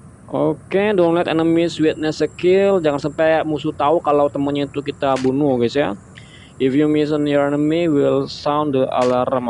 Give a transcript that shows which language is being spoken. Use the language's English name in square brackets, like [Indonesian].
[English] Oke, okay, don't let enemies witness a kill. [Indonesian] Jangan sampai musuh tahu kalau temennya itu kita bunuh, guys ya. [English] If you miss on your enemy, will sound the alarm.